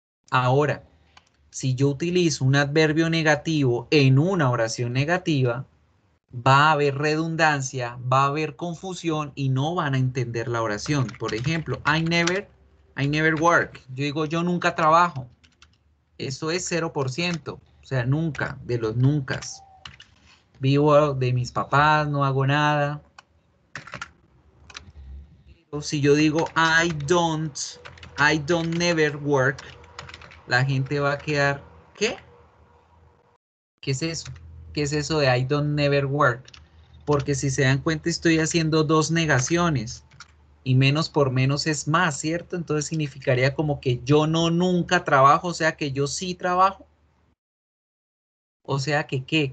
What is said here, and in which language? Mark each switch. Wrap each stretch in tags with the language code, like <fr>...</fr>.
<es>Ahora, si yo utilizo un adverbio negativo en una oración negativa, va a haber redundancia, va a haber confusión y no van a entender la oración. Por ejemplo,</es> <en>I never work.</en> <es>Yo digo, yo nunca trabajo. Eso es 0%. O sea, nunca, de los nunca. Vivo de mis papás, no hago nada. O si yo digo,</es> <en>I don't never work.</en> <es>La gente va a quedar, ¿qué? ¿Qué es eso? ¿Qué es eso de</es> <en>I don't never work?</en> <es>Porque si se dan cuenta, estoy haciendo dos negaciones. Y menos por menos es más, ¿cierto? Entonces significaría como que yo no nunca trabajo, o sea que yo sí trabajo. O sea que ¿qué?</es>